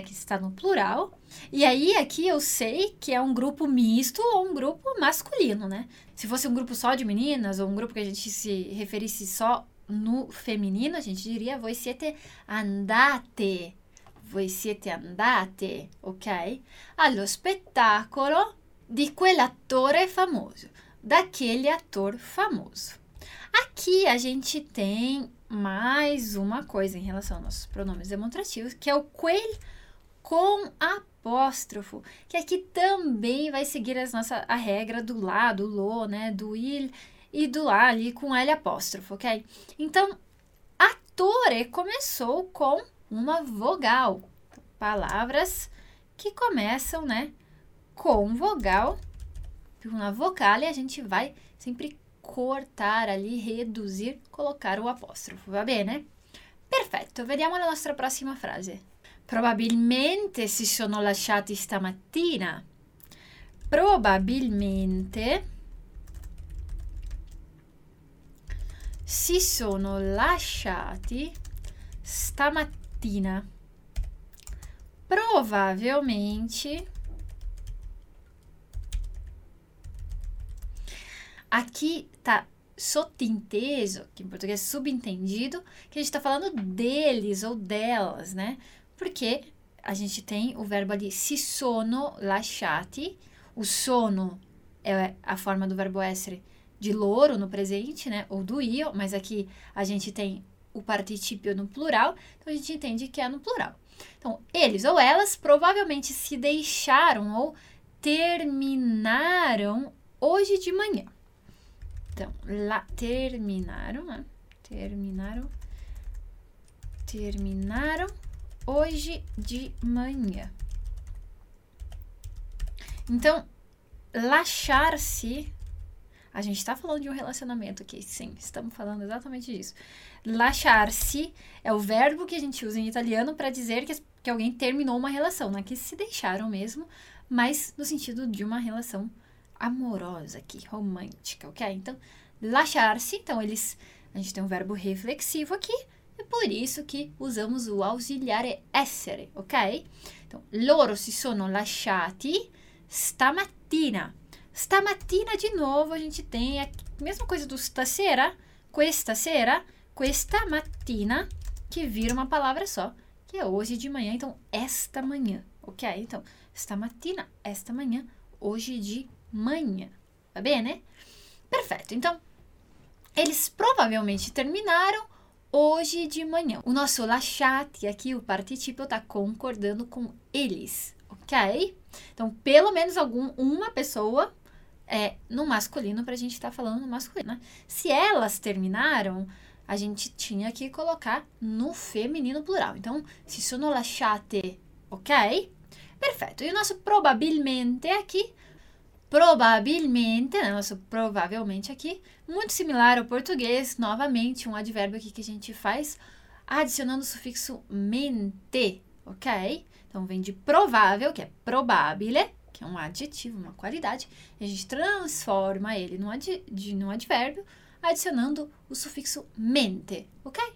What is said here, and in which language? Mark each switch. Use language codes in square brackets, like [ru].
[pt] Que está no plural. E aí, aqui eu sei que é um grupo misto ou um grupo masculino, né? Se fosse um grupo só de meninas ou um grupo que a gente se referisse só no feminino, a gente diria [it] voi siete andate. Voi siete andate, ok? Allo spettacolo di quell'attore famoso, [pt] daquele ator famoso. Aqui a gente tem mais uma coisa em relação aos nossos pronomes demonstrativos, que é o quel com apóstrofo, que aqui também vai seguir a regra do lá, do lo, né, do il e do lá ali com L apóstrofo, ok? Então, attore começou com uma vogal. Palavras que começam, né, com vogal, uma vocale, a gente vai sempre cortar ali, reduzir, colocar o apóstrofo, [it] va bene? Perfetto, vediamo la nostra prossima frase. Probabilmente si sono lasciati stamattina. Probabilmente si sono lasciati stamattina. Probabilmente. [pt] Aqui tá sottinteso, que em português é subentendido, que a gente está falando deles ou delas, né? Porque a gente tem o verbo ali [it] si sono lasciati. [pt] O sono é a forma do verbo essere de loro no presente, né? Ou do io, mas aqui a gente tem o participio no plural, então a gente entende que é no plural. Então, eles ou elas provavelmente se deixaram ou terminaram hoje de manhã. Então, lá, terminaram, né? Terminaram hoje de manhã. Então, lasciar-se, a gente está falando de um relacionamento aqui, sim, estamos falando exatamente disso. Lasciar-se é o verbo que a gente usa em italiano para dizer que alguém terminou uma relação, não é que se deixaram mesmo, mas no sentido de uma relação amorosa aqui, romântica, ok? Então, lasciarsi, então eles. A gente tem um verbo reflexivo aqui, e por isso que usamos o ausiliare essere, ok? [it] Então, loro si sono lasciati stamattina. [pt] Stamattina, [it] di nuovo, [pt] a gente tem a mesma coisa do stasera, [it] questa mattina, [pt] che vira uma palavra só, [it] che è oggi di [pt] manhã, então esta manhã, ok? Então, stamattina, esta manhã, [it] oggi di [pt] manhã, [it] va bene? Perfetto, [pt] então. Eles provavelmente terminaram hoje de manhã. O nosso lasciati aqui, o participio, está concordando com eles, ok? Então, pelo menos uma pessoa é no masculino para a gente estar falando no masculino, né? Se elas terminaram, a gente tinha que colocar no feminino plural. [it] Então, si sono lasciate, ok? [pt] Perfeito. E o nosso probabilmente aqui. Probabilmente, né? Nosso provavelmente aqui, muito similar ao português, novamente um advérbio aqui que a gente faz adicionando o sufixo mente, ok? Então vem de provável, que é probabile, que é um adjetivo, uma qualidade, e a gente transforma ele num advérbio adicionando o sufixo mente, ok?